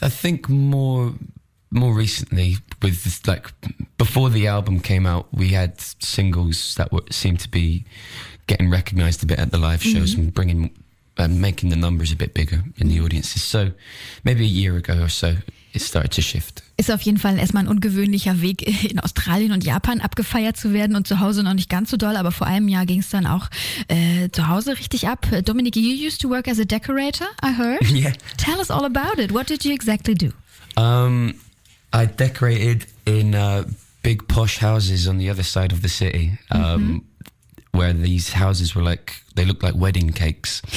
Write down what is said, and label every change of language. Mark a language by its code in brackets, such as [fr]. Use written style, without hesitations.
[en] I think more recently, with this, like before the album came out, we had singles that seemed to be getting recognized a bit at the live shows and bringing and making the numbers a bit bigger in the audiences. So maybe a year ago or so, it started to shift. [de] Ist auf jeden Fall erstmal ein ungewöhnlicher Weg, in Australien und Japan abgefeiert zu werden, und zu Hause noch nicht ganz so doll, aber vor einem Jahr ging es dann auch zu Hause richtig ab. [en] Dominik, you used to work as a decorator, I heard. Yeah. Tell us all about it. What did you exactly do? I decorated in big posh houses on the other side of the city, where these houses were like, they looked like wedding cakes.